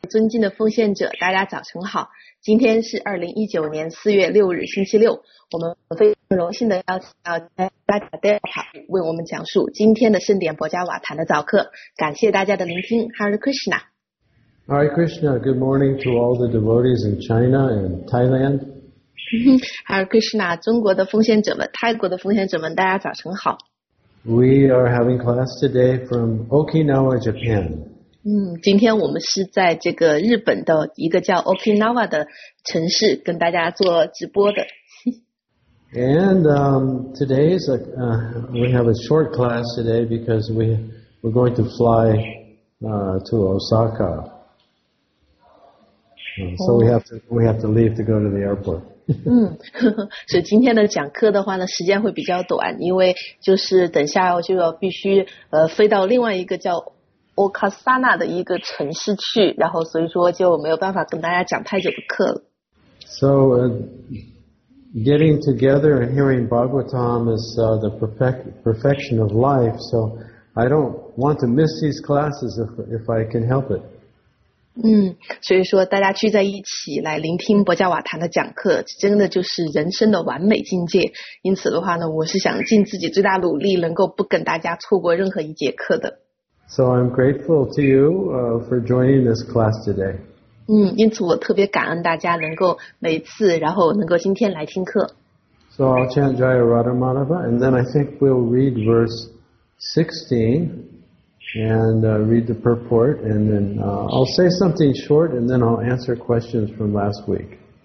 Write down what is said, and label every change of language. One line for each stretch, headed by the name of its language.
Chinese: 尊敬的奉献者，大家早晨好。今天是2019年4月6日星期六，我们非常荣幸的邀请到大家的为我们讲述今天的盛典博加瓦坛的早课，感谢大家的聆听。
English: Hare Krishna Hare Krishna, good morning to all the devotees in China and Thailand.
Chinese: Hare Krishna, 中国的奉献者们，泰国的奉献者们，大家早晨好。
English: We are having class today from Okinawa, Japan.
Chinese: 今天我们是在这个日本的一个叫 Okinawa 的城市跟大家做直播的。
English: And we have a short class today because we're going to fly to Osaka. So we have to leave to go to the airport.
Chinese: 所以今天的讲课的话呢，时间会比较短，因为就是等下我就要必须飞到另外一个叫 Okasana 的一个城市去，然后所以说就没有办法跟大家讲太久的课了。
English: So getting together and hearing Bhagavatam is the perfection of life. So I don't want to miss these classes if I can help it.
Chinese: 所以说大家聚在一起来聆听博加瓦坛的讲课，真的就是人生的完美境界。因此的话呢，我是想尽自己最大努力，能够不跟大家错过任何一节课的。
English: So I'm grateful to you for joining this class today.
Chinese: 因此我特别感恩大家能够每次，然后能够今天来听课。
English: So I'll chant Jaya Radha Madhava, and then I think we'll read verse 16. And read the purport, and then I'll say something short, and then I'll answer questions from last week.